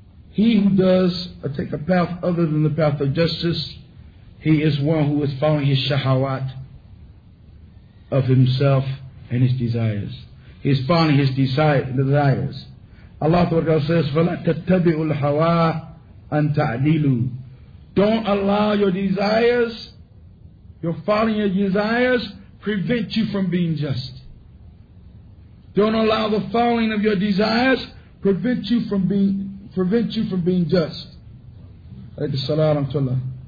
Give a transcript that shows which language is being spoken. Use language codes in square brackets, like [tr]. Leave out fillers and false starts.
[en] He who does take a path other than the path of justice, he is one who is following his shahawat of himself and his desires. He is following his desires. Allah says, [ar] فَلَا تَتَّبِعُ الْحَوَىٰ أَن تَعْدِلُوا. [en] Don't allow your desires, your following your desires, prevent you from being just. Don't allow the following of your desires prevent you from being just. Alayhi salatu wa rahmatullah.